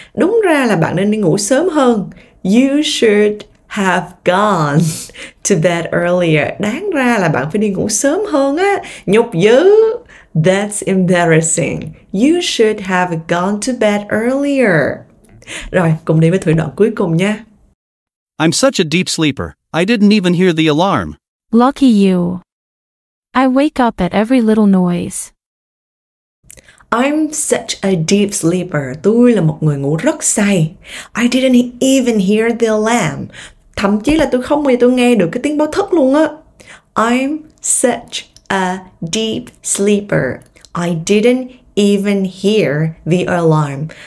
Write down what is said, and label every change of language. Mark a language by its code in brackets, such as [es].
[vi] Đúng ra là bạn nên đi ngủ sớm hơn. [en] You should have gone to bed earlier. [vi] Đáng ra là bạn phải đi ngủ sớm hơn á. Nhục dữ. [en] That's embarrassing. You should have gone to bed earlier. [vi] Rồi, cùng đi với thử đoạn cuối cùng nha. [en] I'm such a deep sleeper. I didn't even hear the alarm. Lucky you. I wake up at every little noise. I'm such a deep sleeper. [vi] Tôi là một người ngủ rất say. [en] I didn't even hear the alarm. [vi] Thậm chí là tôi không bao giờ tôi nghe được cái tiếng báo thức luôn á. [en] I'm such a deep sleeper. I didn't even hear the alarm.